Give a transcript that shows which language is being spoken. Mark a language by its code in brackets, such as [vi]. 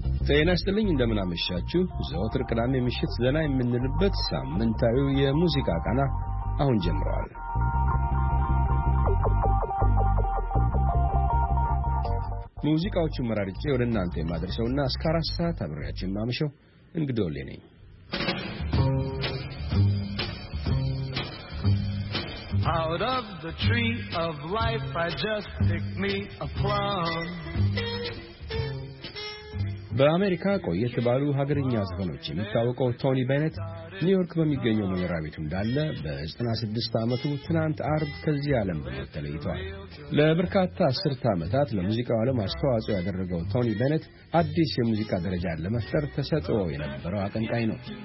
[am] ጤናስጥልኝ እንደምን አመሻችሁ። ዘወትር ቅዳሜ ምሽት ዘና የምንልበት ሳምንታዊ የሙዚቃ ቃና አሁን ጀምሯል። ሙዚቃዎቹ መራርጬ ወደ እናንተ የማደርሰውና እስከ 4 ሰዓት አብሬያችሁ ማመሸው እንግዶልኝ ነኝ። [en] Out of the tree of life I just picked me a plum. [am] በአሜሪካ ቆየት ባሉ ሀገርኛ ዘፈኖች የሚታወቀው ቶኒ ቤነት ኒውዮርክ በሚገኘው መኖሪያ ቤቱ እንዳለ በ96 ዓመቱ ትናንት አርብ ከዚህ ዓለም በሞት ተለይቷል። ለበርካታ 10 ዓመታት ለሙዚቃው ዓለም አስተዋጽኦ ያደረገው ቶኒ ቤነት አዲስ የሙዚቃ ደረጃ ለመፍጠር ተሰጥቶ የነበረው አቀንቃኝ ነው።